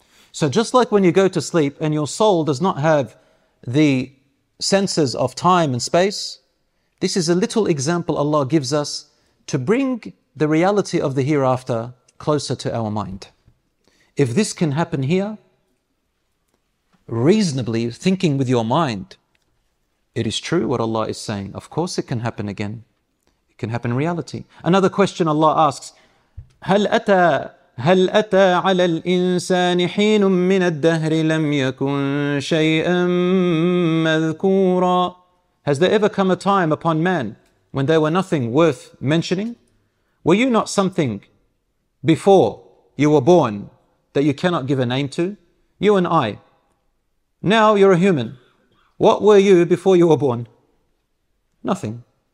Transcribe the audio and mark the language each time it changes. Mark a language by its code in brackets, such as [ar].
[en] So just like when you go to sleep and your soul does not have the senses of time and space, this is a little example Allah gives us to bring the reality of the hereafter closer to our mind. If this can happen here, reasonably thinking with your mind, it is true what Allah is saying. Of course it can happen again. It can happen in reality. Another question Allah asks, [ar] هَلْ أَتَى هل أتى على الإنسان حين من الدهر لم يكن شيئا مذكورا. [en] Has there ever come a time upon man when there were nothing worth mentioning? Were you not something before you were born that you cannot give a name to? You and I. Now you're a human. What were you before you were born? Nothing.